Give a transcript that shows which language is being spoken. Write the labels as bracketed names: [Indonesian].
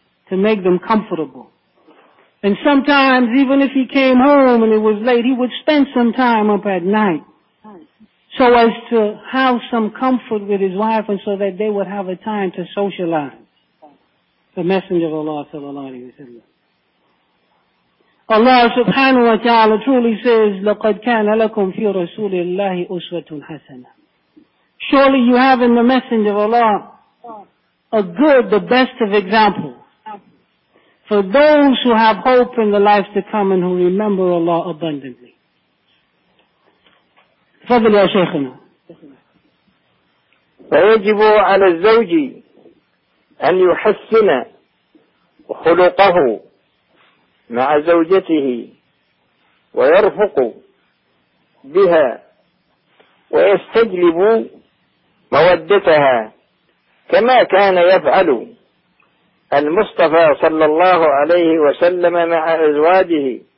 [English] to make them comfortable. And sometimes, even if he came home and it was late, he would spend some time up at night so as to have some comfort with his wife and so that they would have a time to socialize. The Messenger of Allah, sallallahu alayhi wa sallam. Allah subhanahu wa ta'ala truly says, [Arabic] لَقَدْ كَانَ لَكُمْ فِي رَسُولِ اللَّهِ أُسْوَةٌ حَسَنًا. [English] Surely you have in the Messenger of Allah a good, the best of examples for those who have hope in the life to come and who remember Allah abundantly. [Arabic] فضل يا شيخنا. فيجب على الزوج أن يحسن خلقه مع زوجته ويرفق بها ويستجلب مودتها كما كان يفعل المصطفى صلى الله عليه وسلم مع أزواجه.